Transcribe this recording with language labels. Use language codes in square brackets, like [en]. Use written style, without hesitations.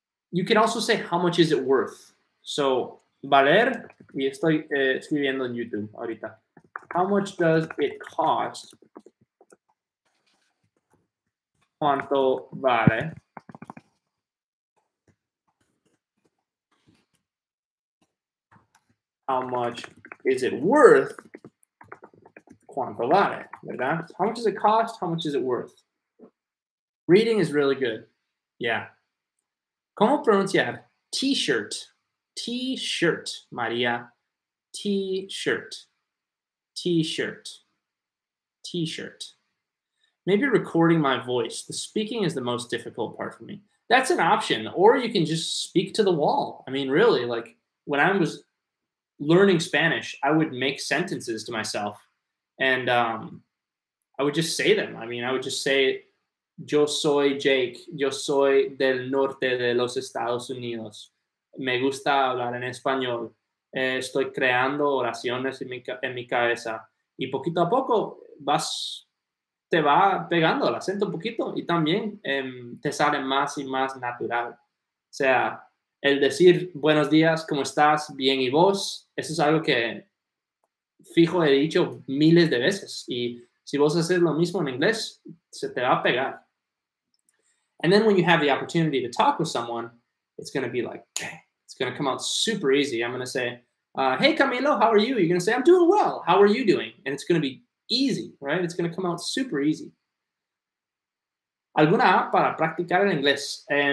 [en] You can also say how much is it worth. [es] So, valer, y estoy escribiendo en YouTube ahorita. [en] How much does it cost? [es] ¿Cuánto vale? [en] How much is it worth? [es] ¿Cuánto vale? ¿Verdad? [en] How much does it cost? How much is it worth? Reading is really good. Yeah. [es] ¿Cómo pronunciar? [en] T-shirt. T-shirt, María. T-shirt. T-shirt. T-shirt. Maybe recording my voice. The speaking is the most difficult part for me. That's an option. Or you can just speak to the wall. I mean, really, like when I was learning Spanish, I would make sentences to myself. And I would just say them. I mean, I would just say, [es] yo soy Jake. Yo soy del norte de los Estados Unidos. Me gusta hablar en español. Estoy creando oraciones en mi cabeza. Y poquito a poco te va pegando el acento un poquito y también te sale más y más natural. O sea, el decir buenos días, ¿cómo estás? Bien, ¿y vos? Eso es algo que fijo he dicho miles de veces. Y si vos haces lo mismo en inglés, se te va a pegar. [en] And then when you have the opportunity to talk with someone, it's going to be like, it's going to come out super easy. I'm going to say, hey, Camilo, how are you? You're going to say, I'm doing well. How are you doing? And it's going to be easy, right? It's going to come out super easy. [es] ¿Alguna app para practicar en inglés?